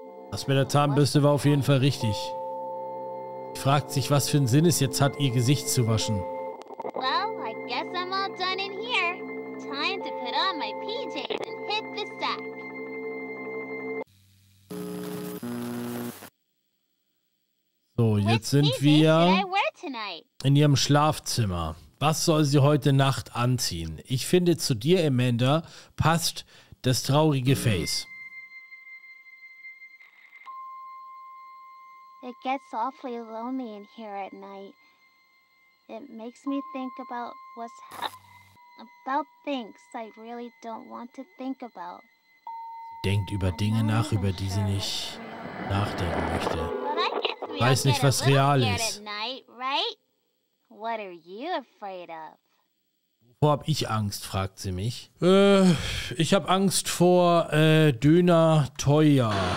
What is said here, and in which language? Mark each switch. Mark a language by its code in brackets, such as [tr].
[de] Das mit der Zahnbürste war auf jeden Fall richtig. Fragt sich, was für einen Sinn es jetzt hat, ihr Gesicht zu waschen. [en] Well, I guess I'm all done in here. Time to put on my PJs and hit the sack. [de] So, jetzt sind wir in ihrem Schlafzimmer. Was soll sie heute Nacht anziehen? Ich finde, zu dir, Amanda, passt das traurige Face. [en] It gets awfully lonely in here at night. It makes me think about what's about things I really don't want to think about. [de] Denkt über Dinge nach, über die sie nicht nachdenken möchte. Weiß nicht, was real ist. [en] What are you afraid of? [de] Wovor hab ich Angst, fragt sie mich. Ich hab Angst vor Döner teuer.